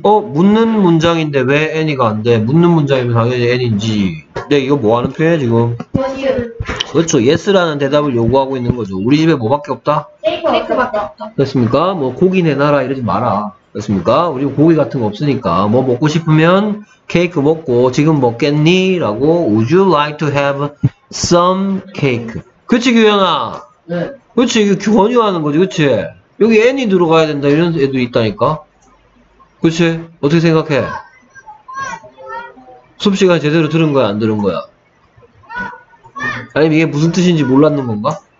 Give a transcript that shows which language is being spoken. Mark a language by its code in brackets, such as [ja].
[ko] 묻는 문장인데 왜 any가 안 돼? 묻는 문장이면 당연히 any인지. 근데 이거 뭐 하는 표현이야, 지금? [en] Yes. [ko] 그렇죠. yes라는 대답을 요구하고 있는 거죠. 우리 집에 뭐밖에 없다? 케이크밖에 없다. 됐습니까? 뭐 고기 내놔라 이러지 마라. 됐습니까? 우리 고기 같은 거 없으니까. 뭐 먹고 싶으면 케이크 먹고 지금 먹겠니? 라고 [en] would you like to have some cake? [ko] 그치, 규현아? 네. 그치, 이게 권유하는 거지, 그치? 여기 n이 들어가야 된다 이런 애도 있다니까. 그치? 어떻게 생각해? 수업시간 제대로 들은 거야 안 들은 거야? 아니면 이게 무슨 뜻인지 몰랐는 건가?